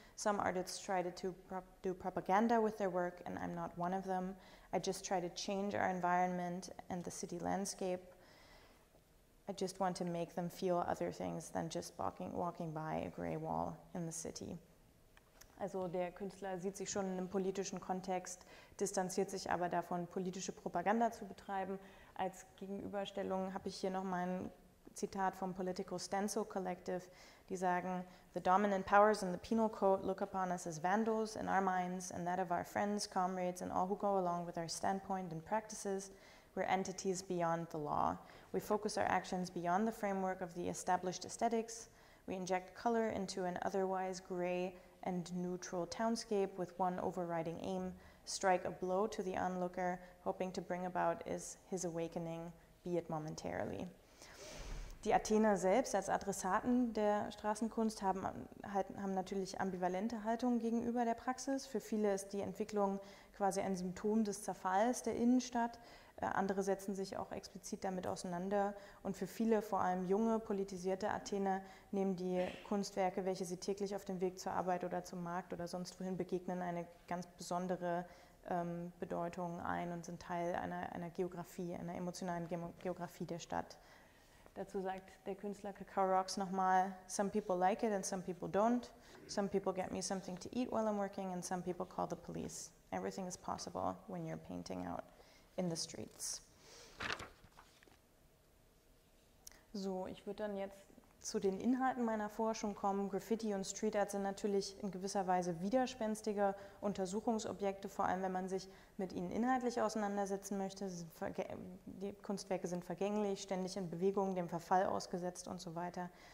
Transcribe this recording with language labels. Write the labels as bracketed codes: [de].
[en] Some artists try to do propaganda with their work and I'm not one of them. I just try to change our environment and the city landscape. I just want to make them feel other things than just walking by a gray wall in the city." [de] Also der Künstler sieht sich schon in einem politischen Kontext, distanziert sich aber davon, politische Propaganda zu betreiben. Als Gegenüberstellung habe ich hier noch mein Zitat vom Political Stencil Collective, die sagen: [en] "The dominant powers in the penal code look upon us as vandals in our minds and that of our friends, comrades and all who go along with our standpoint and practices. We're entities beyond the law. We focus our actions beyond the framework of the established aesthetics. We inject color into an otherwise gray and neutral townscape with one overriding aim: strike a blow to the onlooker, hoping to bring about his awakening, be it momentarily." [de] Die Athener selbst als Adressaten der Straßenkunst haben natürlich ambivalente Haltungen gegenüber der Praxis. Für viele ist die Entwicklung quasi ein Symptom des Zerfalls der Innenstadt. Andere setzen sich auch explizit damit auseinander. Und für viele, vor allem junge, politisierte Athener, nehmen die Kunstwerke, welche sie täglich auf dem Weg zur Arbeit oder zum Markt oder sonst wohin begegnen, eine ganz besondere Bedeutung ein und sind Teil einer Geografie, einer emotionalen Geografie der Stadt. Dazu sagt der Künstler Kakao Rocks nochmal: [en] "Some people like it and some people don't. Some people get me something to eat while I'm working and some people call the police. Everything is possible when you're painting out in the streets." [de] So, ich würde dann jetzt zu den Inhalten meiner Forschung kommen. Graffiti und Street Art sind natürlich in gewisser Weise widerspenstige Untersuchungsobjekte, vor allem wenn man sich mit ihnen inhaltlich auseinandersetzen möchte. Die Kunstwerke sind vergänglich, ständig in Bewegung, dem Verfall ausgesetzt und so weiter.